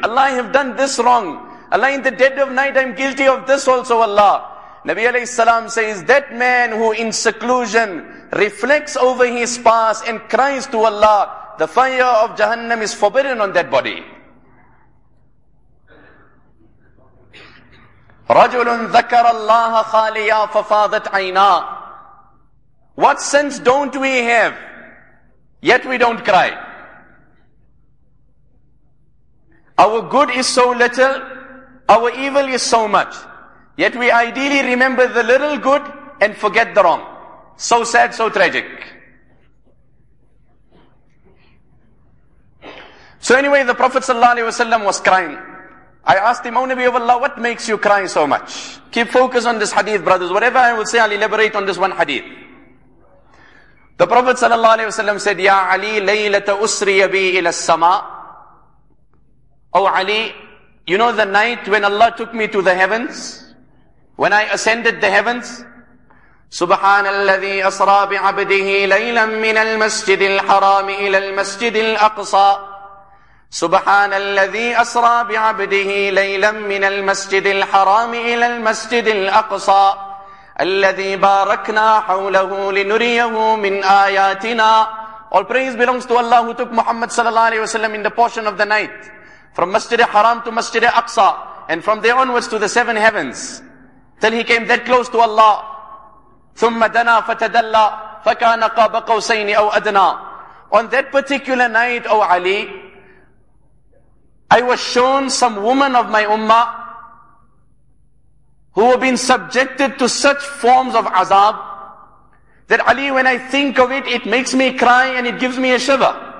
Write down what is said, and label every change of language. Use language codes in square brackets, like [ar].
[en] Allah, I have done this wrong. Allah, in the dead of night, I'm guilty of this also, Allah. Nabi alayhi salam says, that man who in seclusion reflects over his past and cries to Allah, the fire of Jahannam is forbidden on that body. [ar] رَجُلٌ ذَكَرَ اللَّهَ خَالِيًا فَفَاضَتْ عَيْنَا [en] What sense don't we have? Yet we don't cry. Our good is so little, our evil is so much. Yet we ideally remember the little good and forget the wrong. So sad, so tragic. So anyway, the Prophet ﷺ was crying. I asked him, O Nabi of Allah, what makes you cry so much? Keep focus on this hadith, brothers. Whatever I will say, I'll elaborate on this one hadith. The Prophet ﷺ said, [ar] Ya Ali, laylata usriya bi ila sama. [en] O Ali, you know the night when Allah took me to the heavens? When I ascended the heavens, [ar] سُبْحَانَ الَّذِي أَصْرَى بِعَبْدِهِ لَيْلًا مِّنَ الْمَسْجِدِ الْحَرَامِ إِلَى الْمَسْجِدِ الْأَقْصَى سُبْحَانَ الَّذِي أَصْرَى بِعَبْدِهِ لَيْلًا مِّنَ الْمَسْجِدِ الْحَرَامِ إِلَى الْمَسْجِدِ الْأَقْصَى الذي باركنا حوله لنريه من آياتنا. [en] All praise belongs to Allah who took Muhammad sallallahu alayhi wa sallam in the portion of the night from Masjid al-Haram to Masjid al-Aqsa and from there onwards to the seven heavens till he came that close to Allah. [ar] ثم دنا فتدلى فكان قاب قوسين أو أدنى. [en] On that particular night, O Ali, I was shown some woman of my ummah who have been subjected to such forms of azab that Ali, when I think of it, it makes me cry and it gives me a shiver.